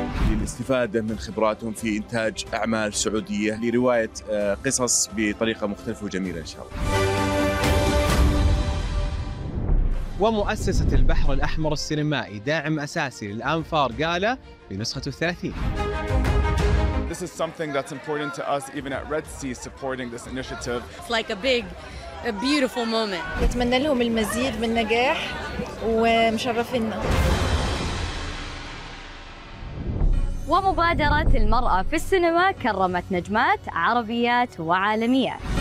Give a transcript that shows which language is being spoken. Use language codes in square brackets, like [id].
[ar] للاستفادة من خبراتهم في إنتاج أعمال سعودية لرواية قصص بطريقة مختلفة وجميلة إن شاء الله. ومؤسسة البحر الأحمر السينمائي داعم أساسي للأنفار غالا بنسخة 30. [en] This is something that's important to us even at Red Sea supporting this initiative. It's like a big, a beautiful moment. [ar] نتمنى لهم المزيد من النجاح ومشرفينا. ومبادرة المرأة في السينما كرمت نجمات عربيات وعالميات.